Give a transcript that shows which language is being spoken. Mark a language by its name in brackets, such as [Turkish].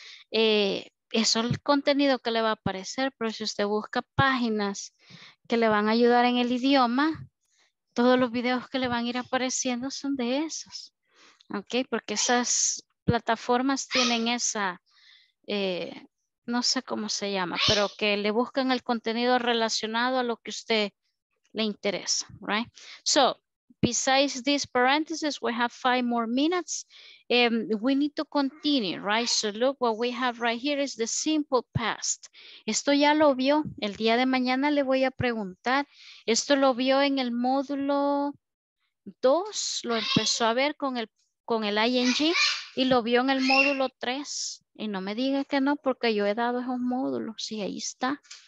[Spanish] Eso es el contenido que le va a aparecer, pero si usted busca páginas que le van a ayudar en el idioma, todos los videos que le van a ir apareciendo son de esos, ¿ok? Porque esas plataformas tienen esa, no sé cómo se llama, pero que le buscan el contenido relacionado a lo que usted le interesa, right? [English] So, besides this parenthesis, we have 5 more minutes. We need to continue, right? So look, what we have right here is the simple past. [Spanish] Esto ya lo vio. El día de mañana le voy a preguntar. Esto lo vio en el módulo 2. Lo empezó a ver con el ING y lo vio en el módulo 3. Y no me diga que no, porque yo he dado esos módulos. Sí, ahí está.